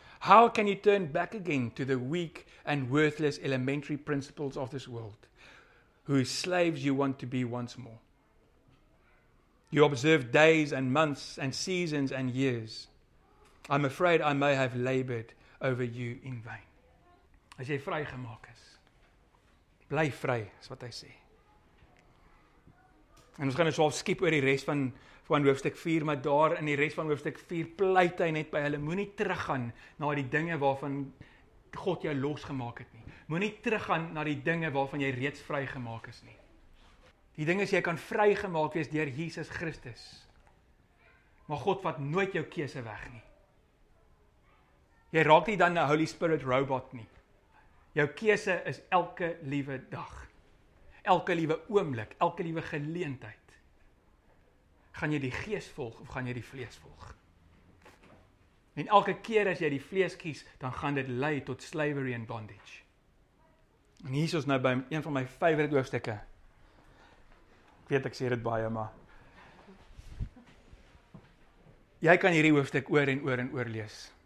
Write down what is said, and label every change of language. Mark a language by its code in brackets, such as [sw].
[en] How can you turn back again to the weak and worthless elementary principles of this world, whose slaves you want to be once more? You observe days and months and seasons and years. I'm afraid I may have labored over you in vain. [af] As jy vrygemaak is, bly vry, is wat hy sê. En ons gaan nou so half skiep oor die res van hoofstuk 4, maar daar in die res van hoofstuk 4 pleit hy net by hulle, moenie teruggaan na die dinge waarvan God jou losgemaak het nie. Moenie teruggaan na die dinge waarvan jy reeds vrygemaak is nie. Die ding is, jy kan vrygemaak wees deur Jesus Christus. Maar God vat nooit jou keuse weg nie. Jy raak nie dan 'n Holy Spirit robot nie. Jou keuse is elke liewe dag. Elke liewe oomblik, elke liewe geleentheid. Gaan jy die gees volg of gaan jy die vlees volg? En elke keer as jy die vlees kies, dan gaan dit lei tot [en] slavery and bondage. [af] En hier is ons nou by een van my favorite hoofstukke. Ek weet ek sê dit baie, maar jy kan hierdie hoofstuk oor en oor en oor lees.